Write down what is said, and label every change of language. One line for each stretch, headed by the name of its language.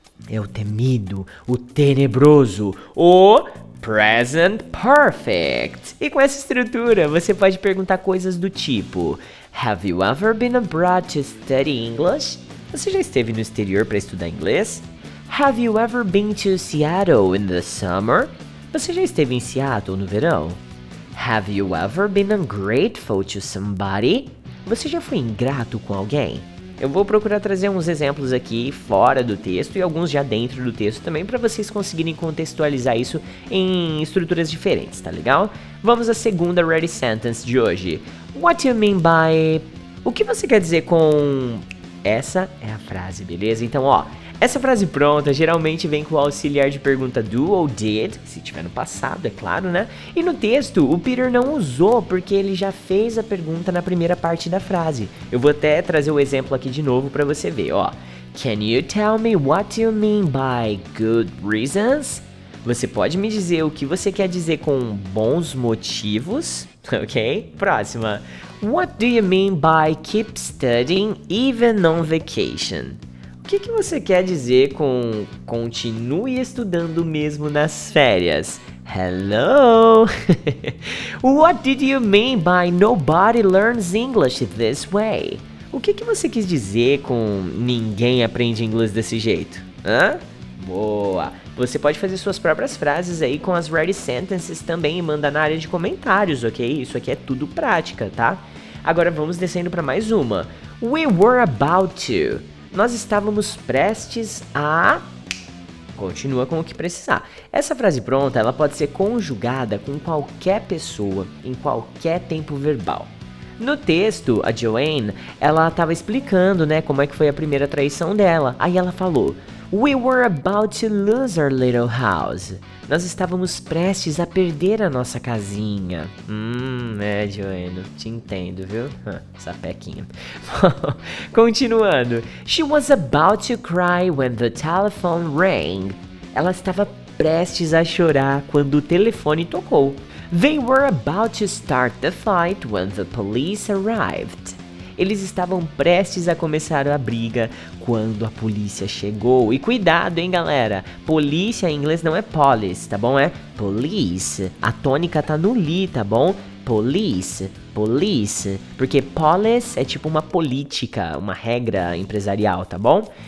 Portuguese: É o temido, o tenebroso, o present perfect. E com essa estrutura, você pode perguntar coisas do tipo:
English: Have you ever been abroad to study English?
Portuguese: Você já esteve no exterior para estudar inglês?
English: Have you ever been to Seattle in the summer?
Portuguese: Você já esteve em Seattle no verão?
English: Have you ever been ungrateful to somebody?
Portuguese: Você já foi ingrato com alguém? Eu vou procurar trazer uns exemplos aqui fora do texto e alguns já dentro do texto também para vocês conseguirem contextualizar isso em estruturas diferentes, tá legal? Vamos à segunda ready sentence de hoje.
English: What you mean by...
Portuguese: O que você quer dizer com... Essa é a frase, beleza? Então, ó, essa frase pronta geralmente vem com o auxiliar de pergunta do ou did, se tiver no passado, é claro, né? E no texto, o Peter não usou porque ele já fez a pergunta na primeira parte da frase. Eu vou até trazer o exemplo aqui de novo pra você ver, ó.
English: Can you tell me what you mean by good reasons?
Portuguese: Você pode me dizer o que você quer dizer com bons motivos? Ok? Próxima.
English: What do you mean by keep studying even on vacation?
Portuguese: O que você quer dizer com continue estudando mesmo nas férias?
English: Hello! What did you mean by nobody learns English this way?
Portuguese: O que você quis dizer com ninguém aprende inglês desse jeito? Hã? Boa! Você pode fazer suas próprias frases aí com as ready sentences também e mandar na área de comentários, ok? Isso aqui é tudo prática, tá? Agora vamos descendo para mais uma.
English: We were about to...
Portuguese: Nós estávamos prestes a... Continua com o que precisar. Essa frase pronta, ela pode ser conjugada com qualquer pessoa, em qualquer tempo verbal. No texto, a Joanne, ela estava explicando, né, como é que foi a primeira traição dela. Aí ela falou,
English: We were about to lose our little house.
Portuguese: Nós estávamos prestes a perder a nossa casinha. É, Joanne, te entendo, viu? Sapequinha. Continuando.
English: She was about to cry when the telephone rang.
Portuguese: Ela estava prestes a chorar quando o telefone tocou.
English: They were about to start the fight when the police arrived.
Portuguese: Eles estavam prestes a começar a briga quando a polícia chegou. E cuidado, hein, galera. Polícia em inglês não é police, tá bom? É police. A tônica tá no li, tá bom? Police, police. Porque police é tipo uma política, uma regra empresarial, tá bom?